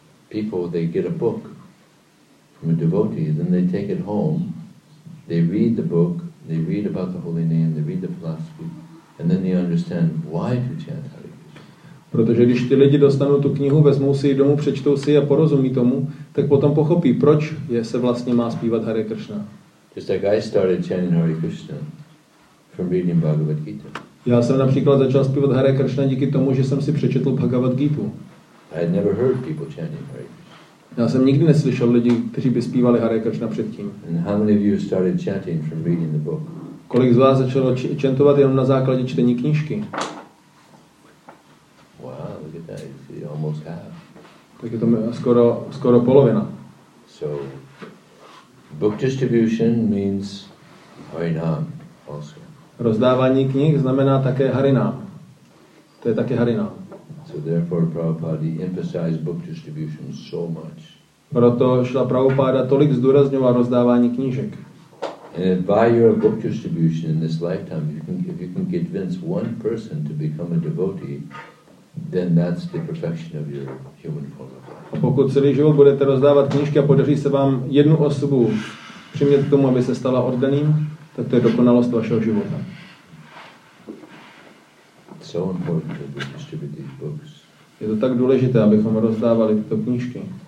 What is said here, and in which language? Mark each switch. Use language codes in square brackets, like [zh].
[en] People, they get a book from a devotee, then they take it home, they read the book, they read about the holy name, they read the philosophy, and then they understand why to chant Hare Krishna. [cs] Protože když ty lidi dostanou tu knihu, vezmou si ji domů, přečtou si ji a porozumí tomu, tak potom pochopí, proč je se vlastně má zpívat Hare Krishna. [en] Just like I started chanting Hare Krishna from reading Bhagavad Gita. [cs] Já jsem například začal zpívat Hare Krishna díky tomu, že jsem si přečetl Bhagavad Gitu. [en] I had never heard people chanting Hare Krishna. [cs] Já jsem nikdy neslyšel lidi, kteří by zpívali Hare Krishna předtím. [en] And how many of you started chanting from reading the book? [cs] Kolik z vás začalo chantovat jenom na základě čtení knížky? [en] Wow, look at that. You see, almost half. [cs] Tak je to skoro polovina. [en] So, book distribution means Harinam also. [cs] Rozdávání knih znamená také Harinam. To je také Harinam. [en] So therefore Prabhupada emphasized book distribution so much. [cs] Proto Šila Prabhupada tolik zdůrazňoval rozdávání knížek. [en] And by your book distribution in this lifetime, if you can convince one person to become a devotee, then that's the perfection of your human form of life. [cs] A pokud celý život budete rozdávat knížky a podaří se vám jednu osobu přimět k tomu, aby se stala oddaným, tak to je dokonalost vašeho života. [en] It's so important to distribute these books. [cs] Je to tak důležité, abychom rozdávali tyto knížky.